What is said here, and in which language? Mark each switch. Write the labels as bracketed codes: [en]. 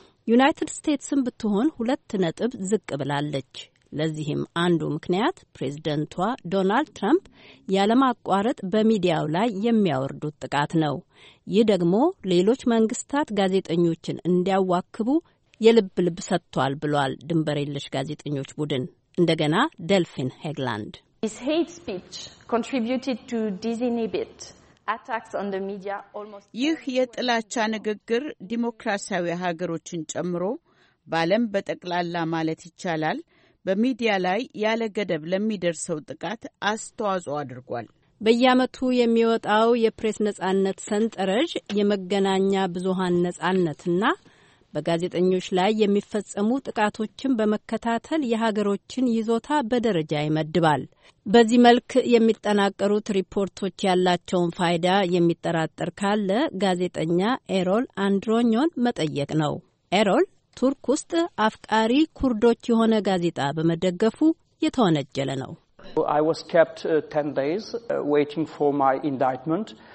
[am] ዩናይትድ ስቴትስም ብትሆን 2 ነጥብ ዝቅ ብላለች። ለዚህም አንዱ ምክንያት ፕሬዝደንቷ ዶናልድ ትራምፕ ያለማቋረጥ በሚዲያው ላይ የሚያወርዱት ጥቃት ነው። ይህ ደግሞ ሌሎች መንግስታት ጋዜጠኞችን እንዲያዋክቡ የልብ ልብ ሰጥቷል ብሏል ድንበር የለሽ ጋዜጠኞች ቡድን። እንደገና ደልፊን ሄግላንድ [en] His hate speech contributed to disinhibit attacks on the media almost [am] ይህ የጥላቻ ንግግር ዲሞክራሲያዊ ሀገሮችን ጨምሮ ባለም በጠቅላላ ማለት ይቻላል በሚዲያ ላይ ያለ ገደብ ለሚደርሰው ጥቃት አስተዋጽኦ አድርጓል። በየአመቱ የሚወጣው የፕሬስ ነጻነት ሰንጠረዥ የመገናኛ ብዙሃን ነጻነትና በጋዜጠኞች ላይ የሚፈጸሙ ጥቃቶችን በመከታተል የሀገሮችን ይዞታ በደረጃ ይመድባል። በዚህ መልክ የሚጠናቀሩት ሪፖርቶች ያላቸውን ፋይዳ የሚጠራጠር ካለ ጋዜጠኛ ኤሮል አንድሮኞን መጠየቅ ነው። ኤሮል ቱርክ ውስጥ አፍቃሪ ኩርዶች የሆነ ጋዜጣ በመደገፉ የተወነጀለ ነው። [en] I was kept 10 days waiting for my indictment.